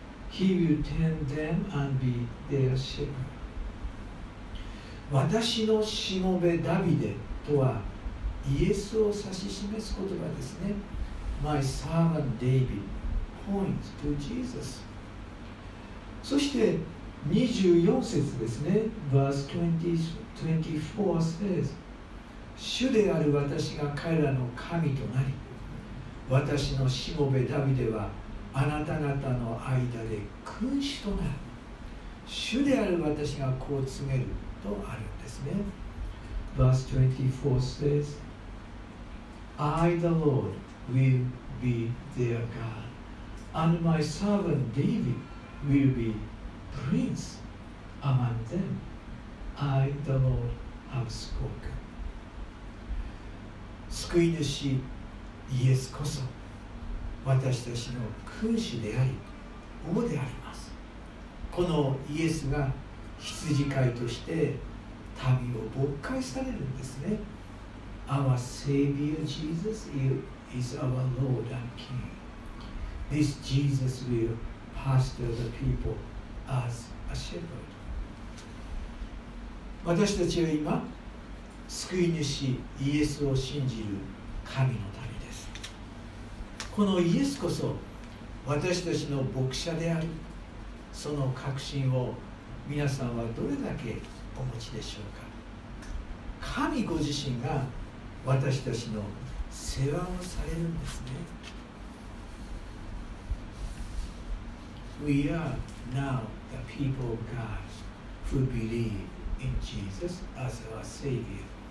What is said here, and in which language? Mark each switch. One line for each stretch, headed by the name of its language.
English: He will tend them and be their shepherd.
Japanese: 私のしもべダビデとはイエスを指し示す言葉ですね。
English: My servant David points to Jesus.
Japanese: そして24節ですね。
English: Verse 24 says,
Japanese: 主である私が彼らの神となり、私のしもべダビデはあなた方の間で君主となる。主である私がこう告げるとあるんですね。
English: Verse 24 says,I, the Lord, will be their God, and my servant David will be prince among them. I, the Lord, have spoken.
Japanese: 救い主イエスこそ私たちの君主であり王であります。このイエスが羊飼いとして民を牧会されるんですね。
English: Our Savior Jesus is our Lord and King. This Jesus will pastor the people as a shepherd.
Japanese: 私たちは今、救い主イエスを信じる神の民です。このイエスこそ私たちの牧者である。その確信を皆さんはどれだけお持ちでしょうか。神ご自身が私たちの世話をされるんですね。
English: We are now the people of God who believe in Jesus as our Savior.